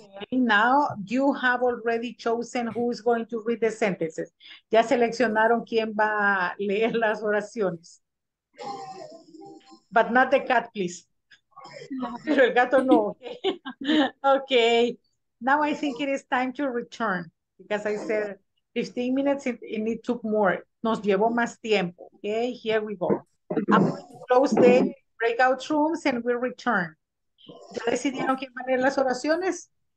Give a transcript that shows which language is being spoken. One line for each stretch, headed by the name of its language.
English: Okay, now you have already chosen who is going to read the sentences.
Spanish: Ya seleccionaron quién va a leer las oraciones.
English: But not the cat, please.
Spanish: Pero el gato no.
English: Okay. Now I think it is time to return. Because I said 15 minutes and it took more.
Spanish: Nos llevó más tiempo.
English: Okay, here we go. I'm going to close the breakout rooms and we'll return.
Spanish: ¿Ya decidieron quién va a leer las oraciones?